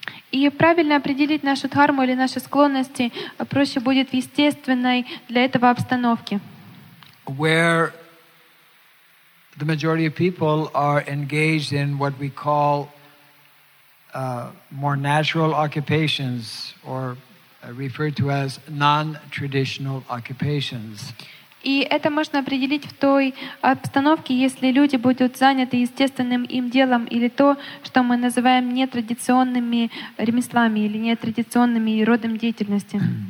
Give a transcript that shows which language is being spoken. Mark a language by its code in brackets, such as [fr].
[ru] И правильно определить нашу дхарму или наши склонности проще будет в естественной для этого обстановке. [en] Where the majority of people are engaged in what we call more natural occupations or referred to as non-traditional occupations. [ru] И это можно определить в той обстановке, если люди будут заняты естественным им делом или то, что мы называем нетрадиционными ремеслами или нетрадиционными родом деятельности.